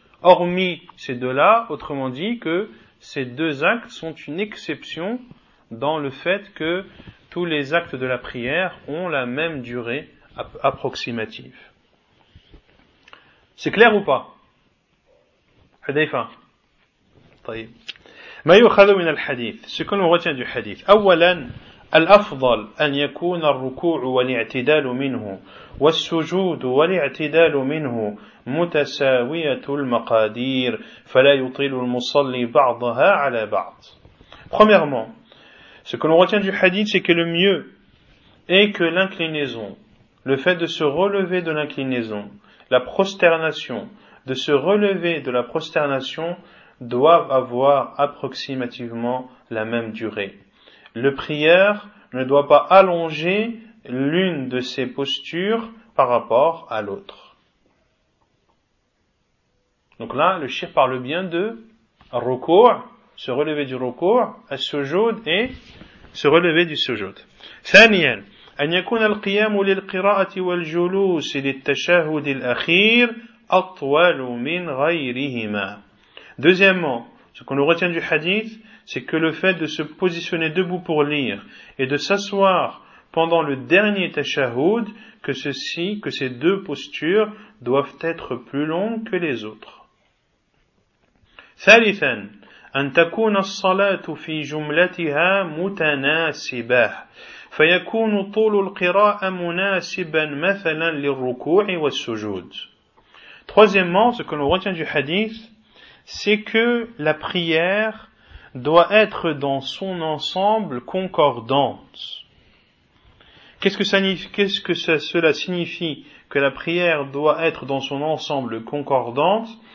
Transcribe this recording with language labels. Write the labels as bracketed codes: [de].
[fr] Hormis ces deux-là, autrement dit que ces deux actes sont une exception dans le fait que tous les actes de la prière ont la même durée approximative. C'est clair ou pas? Hadifa. طيب. [ar] ما يؤخذ من الحديث. [fr] Ce que l'on retient du hadith. [ar] اولا الافضل ان يكون الركوع والاعتدال منه والسجود والاعتدال منه متساوية المقادير فلا يطيل المصلي بعضها على بعض. [fr] Premièrement, ce que l'on retient du hadith, c'est que le mieux est que l'inclinaison, le fait de se relever de l'inclinaison, la prosternation, de se relever de la prosternation, doivent avoir approximativement la même durée. Le prieur ne doit pas allonger l'une de ses postures par rapport à l'autre. Donc là, le shir parle bien de rukur, se relever du rukur, as-sujud et se relever du sujud. Thaniyan. [ar] أن يكون القيام للقراءة والجلوس للتشهد الأخير أطول من غيرهما. [fr] Deuxièmement, ce qu'on nous retient du hadith, c'est que le fait de se positionner debout pour lire et de s'asseoir pendant le dernier tashahhud, que ces deux postures doivent être plus longues que les autres. [ar] ثالثا, أن تكون الصلاة في جملتها متناسبة. فيكون طول القراءة مناسبا مثلا للركوع والسجود. [fr] Troisièmement, ce que l'on retient du hadith, c'est que la prière doit être dans son ensemble concordante. Qu'est-ce que cela signifie que la prière doit être dans son ensemble concordante?